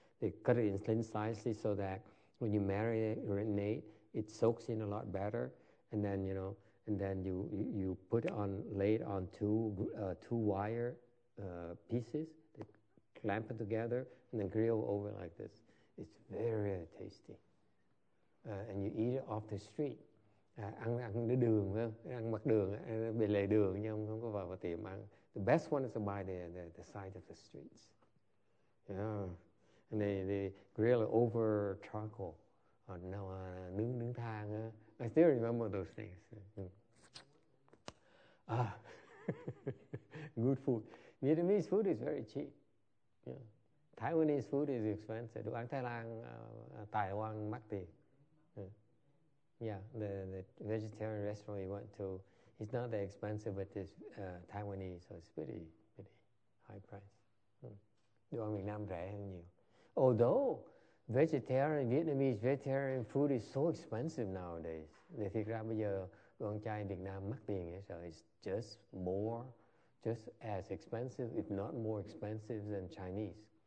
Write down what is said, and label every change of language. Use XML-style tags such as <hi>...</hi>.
<en>They cut it in thin slices so that when you marinate, it soaks in a lot better. And then you know, and then you put it on, lay it on two wire pieces. Clamp it together and then grill over like this. It's very, very tasty. And you eat it off the street.</en> <vi>Ăn ở đường, ăn mặt đường, bề lề đường, nhưng không có vào tiệm ăn.</vi> <en>The best one is to buy the side of the streets. Yeah. And they grill it over charcoal. Or no,</en> <vi>nướng than.</vi> <en>I still remember those things. Ah. Good food. Vietnamese food is very cheap. Yeah. Taiwanese food is expensive.</en> <vi>Đồ ăn Thái Lan, Tài Loan mắc tiền.</vi> <en>Yeah, the vegetarian restaurant you went to, it's not that expensive, but it's Taiwanese, so it's pretty, pretty high price.</en> <vi>Đồ ăn Việt Nam rẻ hơn nhiều.</vi> <en>Although Vietnamese vegetarian food is so expensive nowadays.</en> <vi>Thì thiệt ra bây giờ đồ ăn chay Việt Nam mắc tiền,</vi> <en>so it's just as expensive, if not more expensive than Chinese.</en>